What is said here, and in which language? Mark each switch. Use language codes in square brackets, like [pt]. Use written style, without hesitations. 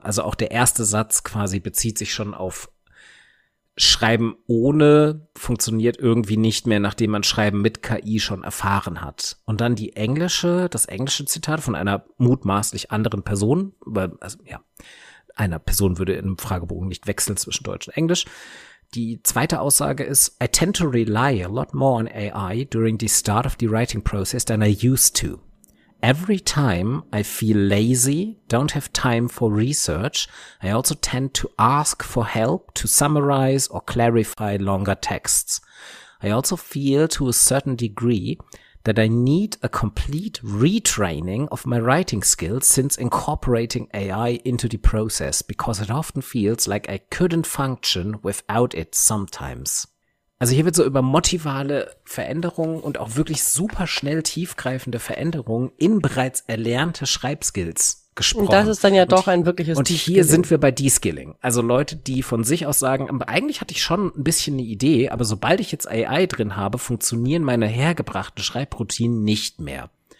[de] Also auch der erste Satz quasi bezieht sich schon auf Schreiben ohne funktioniert irgendwie nicht mehr, nachdem man Schreiben mit KI schon erfahren hat. Und dann das englische Zitat von einer mutmaßlich anderen Person, einer Person würde im Fragebogen nicht wechseln zwischen Deutsch und Englisch. [en] Die zweite Aussage ist, I tend to rely a lot more on AI during the start of the writing process than I used to. Every time I feel lazy, don't have time for research, I also tend to ask for help to summarize or clarify longer texts. I also feel to a certain degree that I need a complete retraining of my writing skills since incorporating AI into the process, because it often feels like I couldn't function without it sometimes. [de] Also hier wird so über motivale Veränderungen und auch wirklich super schnell tiefgreifende Veränderungen in bereits erlernte Schreibskills gesprochen. Und das ist dann ja doch ein wirkliches Und hier sind wir bei Deskilling. Also Leute, die von sich aus sagen, eigentlich hatte ich schon ein bisschen eine Idee, aber sobald ich jetzt AI drin habe, funktionieren meine hergebrachten Schreibroutinen nicht mehr.